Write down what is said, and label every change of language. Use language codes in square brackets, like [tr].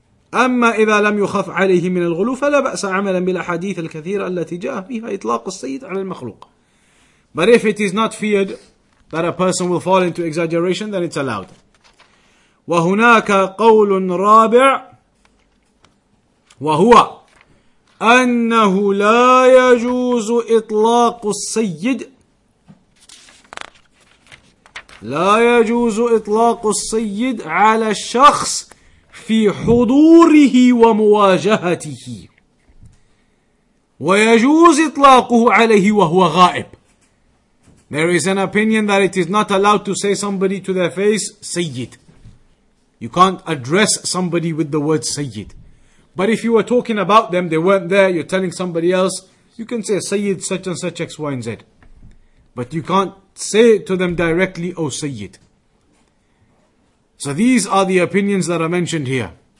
[ar] أما إذا لم يخف عليه من الغلو فلا بأس عملا بالأحاديث الكثيرة التي جاء فيها إطلاق السيد على المخلوق. [en] But if it is not feared that a person will fall into exaggeration, then it's allowed. [ar] وهناك قول رابع وهو أنه لا يجوز إطلاق السيد. لا يجوز إطلاق السيد على الشخص في حضوره ومواجهته ويجوز إطلاقه عليه وهو غائب. [en] There is an opinion that it is not allowed to say somebody to their face Sayyid. You can't address somebody with the word Sayyid. But if you were talking about them, they weren't there, you're telling somebody else, you can say Sayyid such and such X, Y, and Z. But you can't say it to them directly, oh Sayyid. So these are the opinions that are mentioned here.